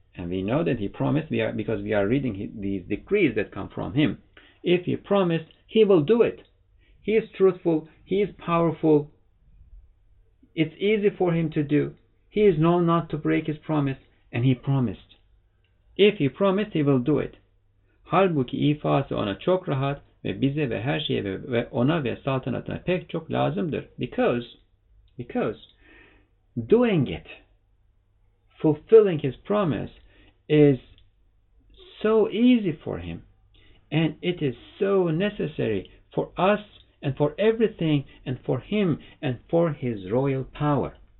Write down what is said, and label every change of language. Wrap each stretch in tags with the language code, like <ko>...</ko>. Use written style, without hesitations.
<en>And we know that he promised, because we are reading these decrees that come from him. If he promised, he will do it. He is truthful. He is powerful. It's easy for him to do. He is known not to break his promise. And he promised. If he promised, he will do it.</en> <tr>Halbuki ifası ona çok rahat ve bize ve her şeye ve ona ve saltanatına pek çok lazımdır.</tr> <en>Because doing it, fulfilling his promise, is so easy for him. And it is so necessary for us and for everything and for him and for his royal power.</en>